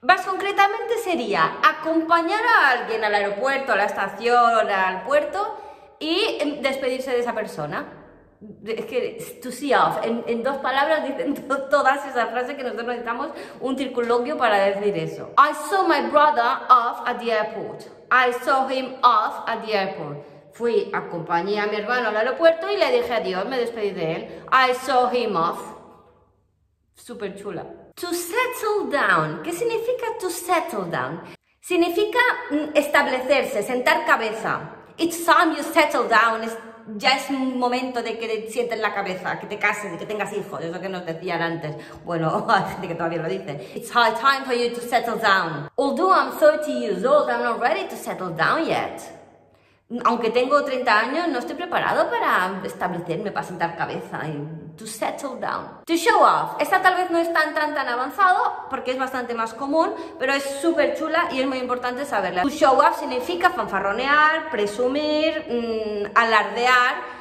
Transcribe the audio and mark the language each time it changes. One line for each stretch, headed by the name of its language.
Spanish: Más concretamente sería acompañar a alguien al aeropuerto, a la estación, al puerto y despedirse de esa persona. Es que to see off, en dos palabras dicen todas esas frases que nosotros necesitamos un circunloquio para decir eso.
English: I saw my brother off at the airport. I saw him off at the airport.
Spanish: Fui, acompañé a mi hermano al aeropuerto y le dije adiós, me despedí de él.
English: I saw him off.
Spanish: Súper chula. To settle down. ¿Qué significa to settle down? Significa establecerse, sentar cabeza.
English: It's time you settle down.
Spanish: Ya es un momento de que te sientes la cabeza, que te cases, que tengas hijos. Eso que nos decían antes. Bueno, hay gente que todavía lo dice.
English: It's high time for you to settle down. Although I'm 30 years old, I'm not ready to settle down yet.
Spanish: Aunque tengo 30 años, no estoy preparado para establecerme, para sentar cabeza. To settle down. To show off. Esta tal vez no es tan avanzado, porque es bastante más común, pero es súper chula y es muy importante saberla. To show off significa fanfarronear, presumir, alardear.